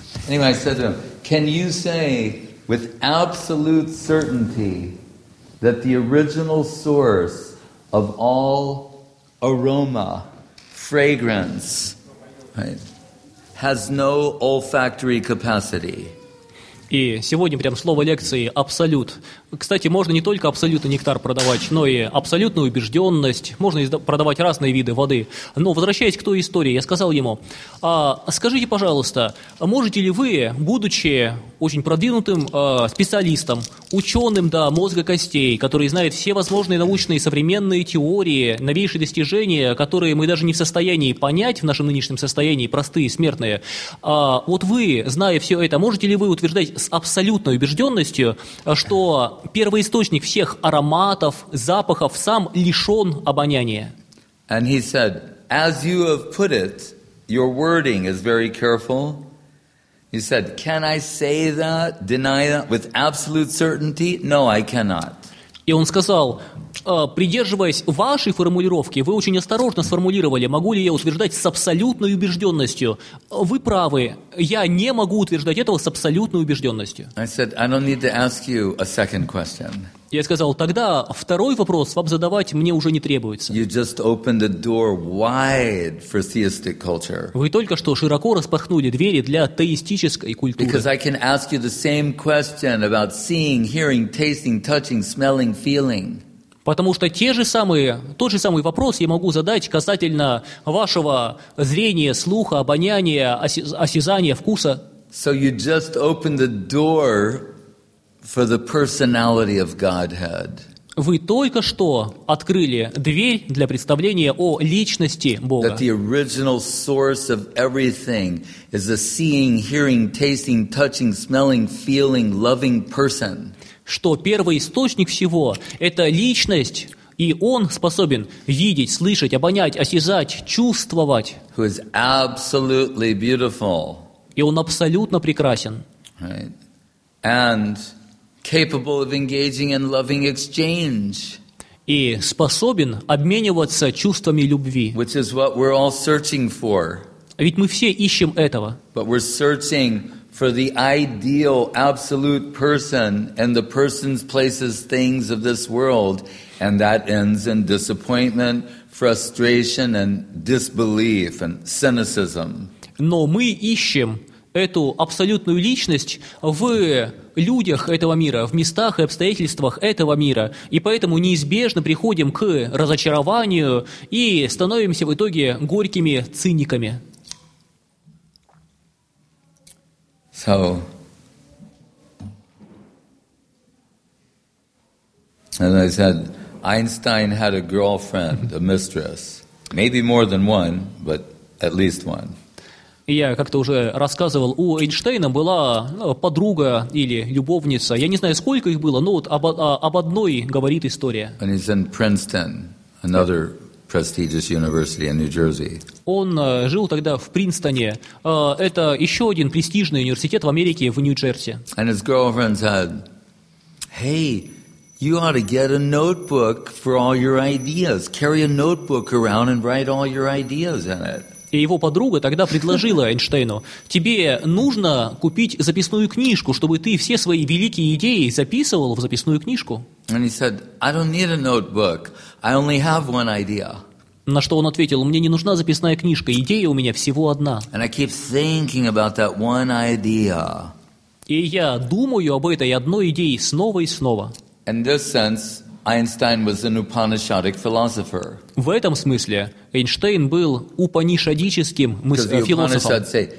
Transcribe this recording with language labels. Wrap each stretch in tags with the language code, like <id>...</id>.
<en>Anyway, I said to him, "Can you say with absolute certainty that the original source of all aroma, fragrance, right, has no olfactory capacity?"</en> <ru>И сегодня прям слово лекции «абсолют». Кстати, можно не только абсолютный нектар продавать, но и абсолютную убежденность. Можно продавать разные виды воды. Но возвращаясь к той истории, я сказал ему, скажите, пожалуйста, можете ли вы, будучи очень продвинутым специалистом, ученым до мозга костей, который знает все возможные научные современные теории, новейшие достижения, которые мы даже не в состоянии понять в нашем нынешнем состоянии, простые, смертные, вот вы, зная все это, можете ли вы утверждать с абсолютной убежденностью, что первоисточник всех ароматов, запахов сам лишен обоняния?</ru> <en>And he said, "As you have put it, your wording is very careful." He said, "Can I say that, deny that with absolute certainty? No, I cannot."</en> <ru>И он сказал, придерживаясь вашей формулировки, вы очень осторожно сформулировали, могу ли я утверждать с абсолютной убежденностью. Вы правы, я не могу утверждать этого с абсолютной убежденностью.</ru> <en>I said, "I don't need to ask you a second question."</en> <ru>Я сказал, тогда второй вопрос вам задавать мне уже не требуется.</ru> <en>You just opened the door wide for theistic culture.</en> <ru>Вы только что широко распахнули двери для теистической культуры.</ru> <en>Because I can ask you the same question about seeing, hearing, tasting, touching, smelling, feeling.</en> <ru>Потому что тот же самый вопрос я могу задать касательно вашего зрения, слуха, обоняния, осязания, вкуса.</ru> <en>So you just opened the door for the personality of Godhead.</en> <ru>Вы только что открыли дверь для представления о личности Бога.</ru> <en>That the original source of everything is a seeing, hearing, tasting, touching, smelling, feeling, loving person.</en> <ru>Что первый источник всего – это личность, и он способен видеть, слышать, обонять, осязать, чувствовать.</ru> <en>Who is absolutely beautiful.</en> <ru>И он абсолютно прекрасен.</ru> <en>Right. And capable of engaging in loving exchange.</en> <ru>И способен обмениваться чувствами любви.</ru> <en>Which is what we're all searching for.</en> <ru>Ведь мы все ищем этого.</ru> <en>But we're searching for the ideal absolute person and the persons, places, things of this world, and that ends in disappointment, frustration, and disbelief and cynicism.</en> <ru>Но мы ищем эту абсолютную личность в людях этого мира, в местах и обстоятельствах этого мира, и поэтому неизбежно приходим к разочарованию и становимся в итоге горькими циниками.</ru> <en>So, as I said, Einstein had a girlfriend, a mistress, maybe more than one, but at least one.</en> <ru>Я как-то уже рассказывал, у Эйнштейна была подруга или любовница. Я не знаю, сколько их было, но вот об одной говорит история.</ru> <en>And he's in Princeton, another prestigious university in New Jersey.</en> <ru>Он жил тогда в Принстоне. Это еще один престижный университет в Америке, в Нью-Джерси.</ru> <en>And his girlfriend said, "Hey, you ought to get a notebook for all your ideas. Carry a notebook around and write all your ideas in it."</en> <ru>И его подруга тогда предложила Эйнштейну, тебе нужно купить записную книжку, чтобы ты все свои великие идеи записывал в записную книжку.</ru> <en>And he said, "I don't need a notebook. I only have one idea."</en> <ru>На что он ответил: «Мне не нужна записная книжка, идея у меня всего одна».</ru> <en>And I keep thinking about that one idea.</en> <ru>И я думаю об этой одной идее снова и снова.</ru> <en>In this sense, Einstein was an Upanishadic philosopher.</en> <ru>В этом смысле Эйнштейн был упанишадическим философом.</ru>